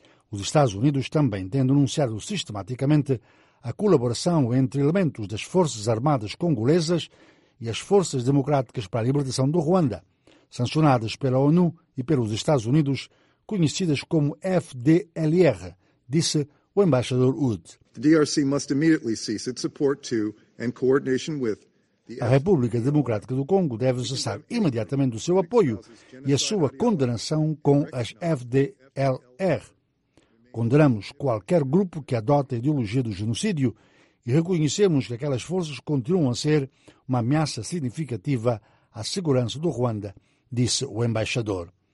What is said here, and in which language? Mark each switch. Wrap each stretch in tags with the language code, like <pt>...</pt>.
<pt>Os Estados Unidos também têm denunciado sistematicamente a colaboração entre elementos das Forças Armadas Congolesas e as Forças Democráticas para a Libertação do Ruanda, sancionadas pela ONU e pelos Estados Unidos, conhecidas como FDLR, disse o embaixador Wood.</pt> <en>The DRC must immediately cease its support to and coordination with</en> <pt>A República Democrática do Congo deve cessar imediatamente o seu apoio e a sua condenação com as FDLR. Condenamos qualquer grupo que adote a ideologia do genocídio e reconhecemos que aquelas forças continuam a ser uma ameaça significativa à segurança do Ruanda, disse o embaixador.</pt>